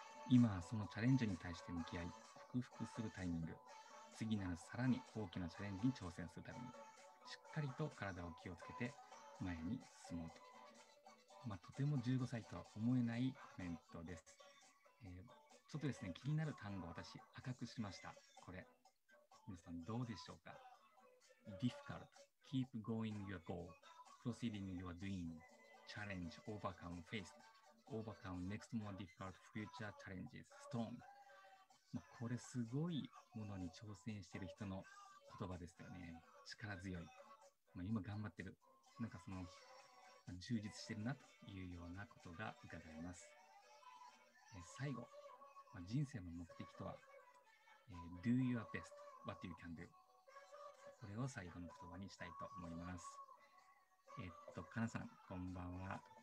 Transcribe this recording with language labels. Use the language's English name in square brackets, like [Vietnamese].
[Japanese] 今はそのチャレンジに対して向き合い、克服するタイミング、次ならさらに大きなチャレンジに挑戦するために、しっかりと体を気をつけて前に進もうと。とても15歳とは思えないコメントです。ちょっとですね、気になる単語、私赤くしました。これ、皆さんどうでしょうか。 [English] Difficult, keep going your goal, proceeding your dream, challenge, overcome, face, overcome, next more difficult future challenges, stone。 [Japanese] これすごいものに挑戦している人の言葉ですよね。力強い、今頑張ってる、なんかその充実してるなというようなことが伺えます。最後、人生の目的とは、 [English] Do your best, what you can do。 [Japanese] これを最後の言葉にしたいと思います。かなさん、こんばんは。